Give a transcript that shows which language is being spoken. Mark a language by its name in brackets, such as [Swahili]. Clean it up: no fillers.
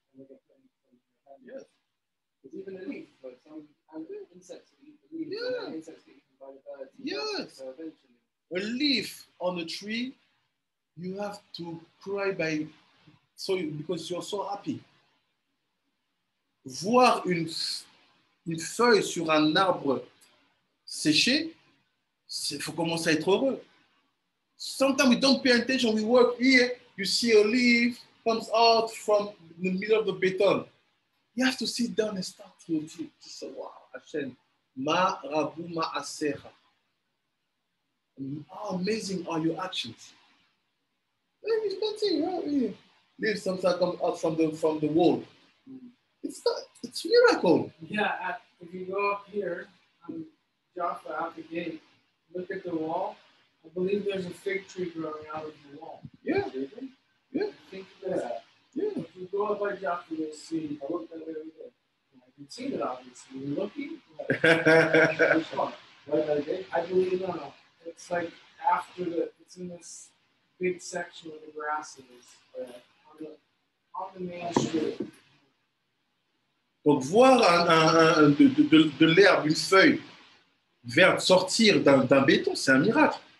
[English] Because even a leaf, like some insects eat the leaves. Yes. A leaf on a tree, you have to cry by, so because you're so happy. [French] voir une feuille sur un arbre séché, il faut commencer à être heureux. [English] Sometimes we don't pay attention, we work here, you see a leaf comes out from the middle of the beton. You have to sit down and start to think. So, wow, Hashem, [Hebrew] ma rabu ma asera. [English] How amazing are your actions? Let me spend it right here. Leaves sometimes come out from the wall. It's a miracle. Yeah, if you go up here on Jaffa out the gate, look at the wall. I believe there's a fig tree growing out of the wall. Yeah. If you go up by Jaffa, you'll see. I looked at it every day. I can see it, obviously. You're looking. I believe it. No. It's like after the, it's in this big section where the grass is. On the main street. [French] Donc voir de l'herbe, une feuille verte sortir d'un béton, c'est un miracle.